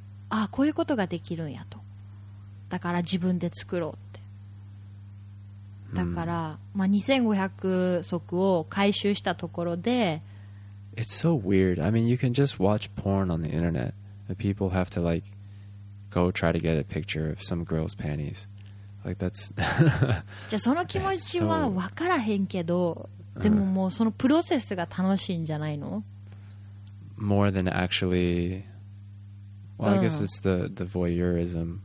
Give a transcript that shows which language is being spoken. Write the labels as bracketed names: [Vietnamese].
[Japanese] ああこういうことができるんやと、だから自分で作ろうって。だから、まあ、2500足を回収したところで、 [English] It's so weird. I mean, you can just watch porn on the internet and people have to like go try to get a picture of some girl's panties. Like that's [Japanese] じゃあその気持ちは分からへんけど、でももうそのプロセスが楽しいんじゃないの？ [English] More than actually, well, I guess it's the voyeurism.